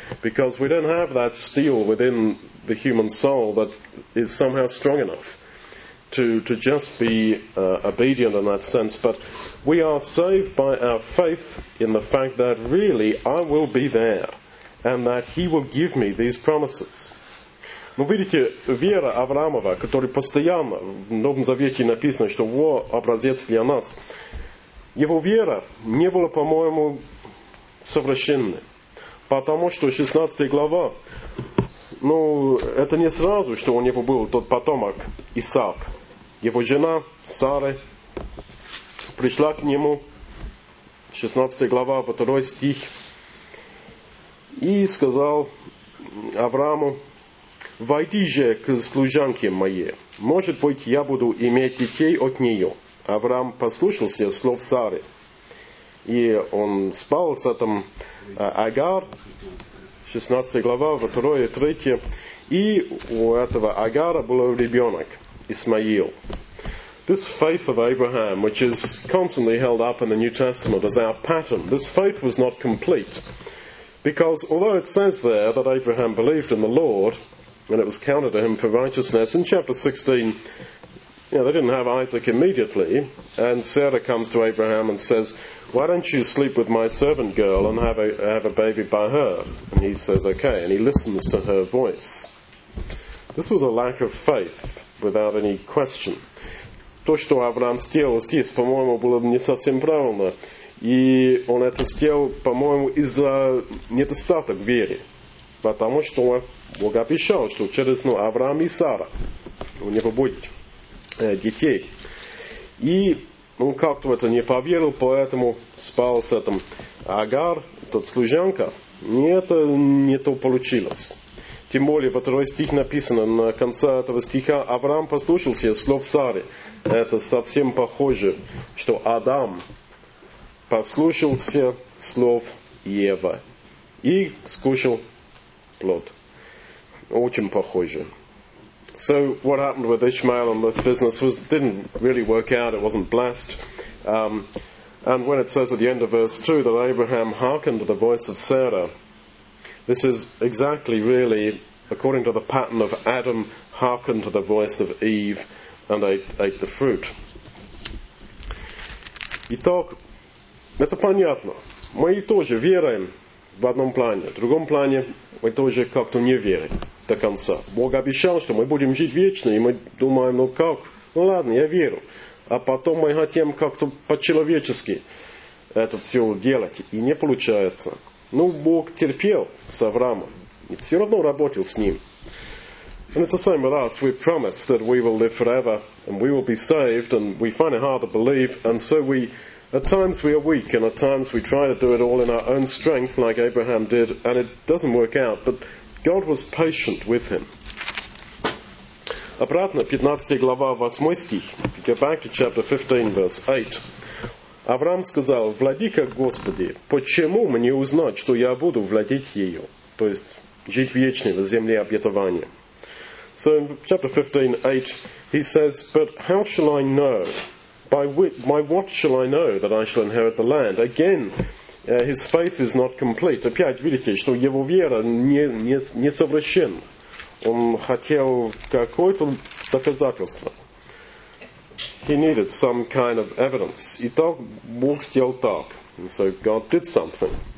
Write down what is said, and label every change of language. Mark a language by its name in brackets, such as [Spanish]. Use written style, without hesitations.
[English] Because we don't have that steel within the human soul that is somehow strong enough to just be obedient in that sense. But we are saved by our faith in the fact that really I will be there and that he will give me these promises. [Russian] Ну, видите, вера Авраамова, которая постоянно в Новом Завете написана, что во образец для нас, его вера не была, по-моему, совращенной. Потому что 16 глава, ну, это не сразу, что у него был тот потомок Исаак. Его жена Сара пришла к нему, 16 глава, 2 стих, и сказал Аврааму, «Войди же к служанке моей, может быть, я буду иметь детей от нее». Авраам послушался слов Сары, и он спал с этим Агар, 16 глава, 2 и 3, и у этого Агара был ребенок, Исмаил. [English] This faith of Abraham, which is constantly held up in the New Testament as our pattern, this faith was not complete. Because although it says there that Abraham believed in the Lord, and it was counted to him for righteousness. In chapter 16, you know, they didn't have Isaac immediately. And Sarah comes to Abraham and says, why don't you sleep with my servant girl and have a baby by her? And he says, okay. And he listens to her voice. This was a lack of faith without any question. [Russian] То, что Авраам сделал здесь, по-моему, было не совсем правильно. И он это сделал, по-моему, из-за недостаток веры. Потому что Бог обещал, что через Авраам и Сара у него будет детей. И он как-то в это не поверил, поэтому спал с этим Агар, тот служанка. И это не то получилось. Тем более, во второй стих написано, на конце этого стиха Авраам послушался слов Сары. Это совсем похоже, что Адам послушался слов Евы и скушал плод. Очень похоже. [English] So what happened with Ishmael and this business was didn't really work out. It wasn't blessed. And when it says at the end of verse 2 that Abraham hearkened to the voice of Sarah, this is exactly really according to the pattern of Adam hearkened to the voice of Eve and ate the fruit. [Russian] Итак, это понятно. Мы тоже верим в одном плане, в другом плане мы тоже как-то не верим. До конца. Бог обещал, что мы будем жить вечно, и мы думаем, ну как? Ну ладно, я верю. А потом мы хотим как-то по-человечески это все делать, и не получается. Ну, Бог терпел с Авраамом, и все равно работал с ним. [English] And it's the same with us. We promise that we will live forever, and we will be saved, and we find it hard to believe, and so we, at times we are weak, and at times we try to do it all in our own strength, like Abraham did, and it doesn't work out, but God was patient with him. [Russian] Обратно, 15 глава, 8 стих. [English] Go back to chapter 15, verse 8. [Russian] Авраам сказал, «Владика Господи, почему мне узнать, что я буду владеть ее?» То есть, жить вечно в земле обетования. [English] So in chapter 15, 8, he says, «But how shall I know? By what shall I know that I shall inherit the land?» Again, his faith is not complete. [Russian] Опять видите, что его вера не совершенна. Он хотел какое-то доказательство. [English] He needed some kind of evidence. [Russian] Итак, Бог сделал так. [English] And so God did something.